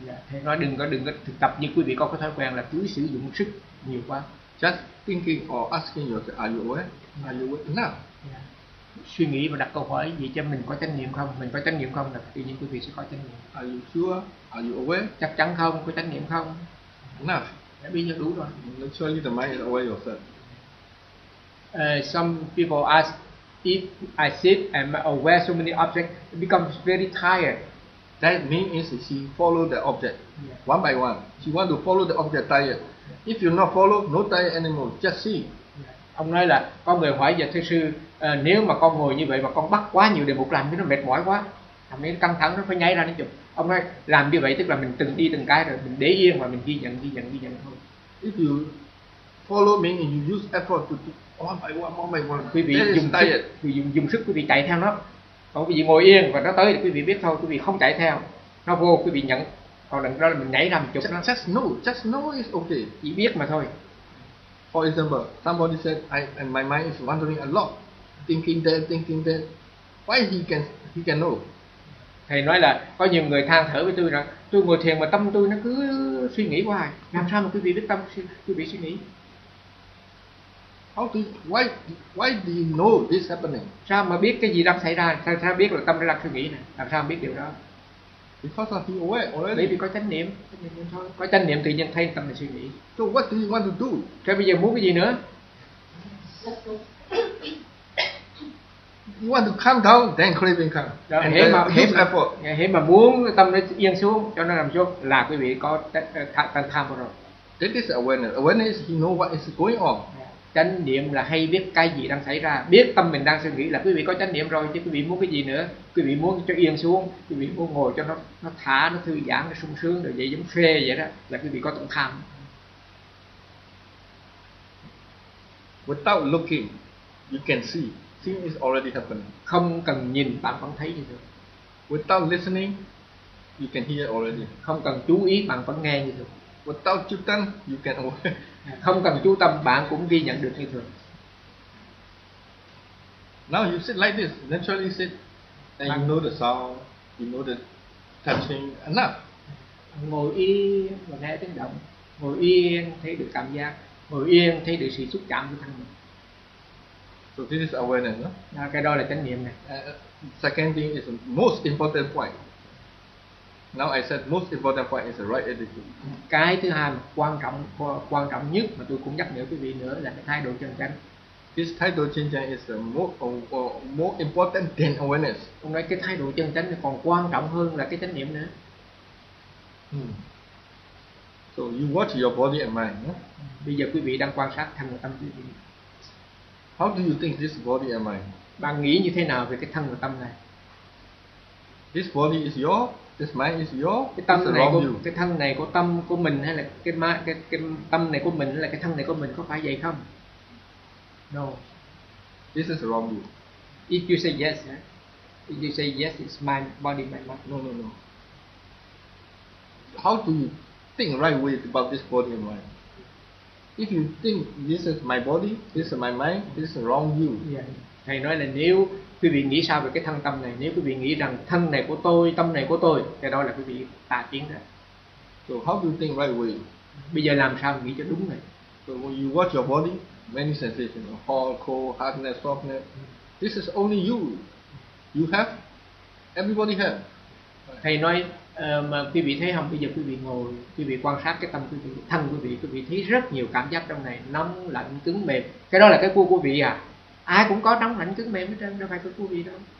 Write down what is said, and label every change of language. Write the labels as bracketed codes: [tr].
[vi] Thầy nói đừng có thực tập như quý vị có cái thói quen là cứ sử dụng sức nhiều quá. [en] Just thinking or asking yourself, are you aware? Are you aware enough? [vi] Suy nghĩ và đặt câu hỏi gì cho mình có trách nhiệm không? Mình có trách nhiệm không? Là tự nhiên quý vị sẽ có trách nhiệm. [en] Are you sure? Are you aware? [vi] Chắc chắn không? Có trách nhiệm không? [en] Enough. [vi] Đã biết nhớ đủ rồi. [en] Naturally the mind is aware yourself. Some people ask, if I sit and aware so many objects, it becomes very tired. That means she follow the object, yeah, one by one. She want to follow the object tired. Yeah. If you not follow, no tired anymore, just see. Yeah. [vi] Ông nói là, có người hỏi về thầy sư, nếu mà con ngồi như vậy mà con bắt quá nhiều đề mục làm thì nó mệt mỏi quá. Làm nó căng thẳng, nó phải nháy ra nó chụp. Ông nói, làm như vậy tức là mình từng đi từng cái rồi, mình để yên và mình ghi nhận thôi. [en] If you follow means you use effort to one by one. [vi] Quý vị dùng sức quý vị chạy theo nó. Còn quý vị ngồi yên và nó tới thì quý vị biết thôi, quý vị không chạy theo. Nó vô quý vị nhận. Còn đằng đó là mình nhảy ra một chục nó. [en] Just know is okay. [vi] Chỉ biết mà thôi. [en] For example, somebody said, and my mind is wandering a lot. Thinking that. Why he can know? [vi] Thầy nói là có nhiều người than thở với tôi rằng tôi ngồi thiền mà tâm tôi nó cứ suy nghĩ hoài. Làm sao mà quý vị biết tâm quý vị suy nghĩ? [en] Why do you know this happening? [vi] Sao mà biết cái gì đang xảy ra? Sao biết là tâm đã đang suy nghĩ này? Làm sao biết điều đó? [en] Because of you aware already. [vi] Bởi vì có chánh niệm. Có chánh niệm tự nhiên thấy tâm này suy nghĩ. [en] So what do you want to do? [vi] Thế bây giờ muốn cái gì nữa? [en] You want to calm down, then craving come. [vi] Đó, and hế mà, hế, hế mà muốn tâm nó yên xuống cho nó nằm xuống là quý vị có tâm tham rồi. [en] This is awareness. Awareness is you know what is going on. [vi] Chánh niệm là hay biết cái gì đang xảy ra, biết tâm mình đang suy nghĩ là quý vị có chánh niệm rồi, chứ quý vị muốn cái gì nữa? Quý vị muốn cho yên xuống, quý vị muốn ngồi cho nó thả, nó thư giãn, nó sung sướng rồi vậy giống phê vậy đó là quý vị có tâm tham. [en] Without looking, you can see. Thing is already happening. [vi] Không cần nhìn bạn vẫn thấy như thế. [en] Without listening, you can hear already. [vi] Không cần chú ý bạn vẫn nghe như thế. [en] Without chú tâm, you can. [vi] Không cần chú tâm bạn cũng ghi nhận được như thế. [en] Now you sit like this, naturally sit, and bạn, you know the sound, you know the touching enough. [vi] Ngồi yên và nghe tiếng động, ngồi yên thấy được cảm giác, ngồi yên thấy được sự xúc chạm của thân mình. [en] So this is awareness, no? [vi] À, cái đó là chánh niệm này. [en] Second thing is the most important point. Now I said most important point is the right attitude. [vi] Cái thứ hai quan trọng nhất mà tôi cũng nhắc nhở quý vị nữa là cái thái độ chân chánh. [en] This thái độ chân chánh is the more important than awareness. [vi] Ông nói cái thái độ chân chánh còn quan trọng hơn là cái chánh niệm nữa. [en] So you watch your body and mind. No? [vi] Bây giờ quý vị đang quan sát thân và tâm quý vị. [en] How do you think this body and mind? [vi] Bạn nghĩ như thế nào về cái thân và tâm này? [en] This body is your, this mind is your. [vi] Cái tâm này của you. Cái thân này của tâm của mình hay là cái tâm này của mình hay là cái thân này của mình có phải vậy không? [en] No. This is wrong view. If you say yes, yeah? If you say yes, it's my body, my mind. No. How do you think right way about this body and mind? If you think this is my body, this is my mind, this is wrong view. Yeah. [vi] Thầy nói là nếu quý vị nghĩ sao về cái thân tâm này, nếu quý vị nghĩ rằng thân này của tôi, tâm này của tôi, thì đó là quý vị tà kiến đó. [en] So how do you think right way? [vi] Bây giờ làm sao nghĩ cho đúng này? [en] So when you watch your body, many sensations, hot, cold, hardness, softness, this is only you. You have, everybody have. [vi] Thầy nói mà quý vị thấy không, bây giờ quý vị ngồi, quý vị quan sát cái tâm quý vị, thân quý vị thấy rất nhiều cảm giác trong này, nóng, lạnh, cứng, mềm. Cái đó là cái của quý vị à? Ai cũng có nóng, lạnh, cứng, mềm hết trơn, đâu phải của quý vị đâu.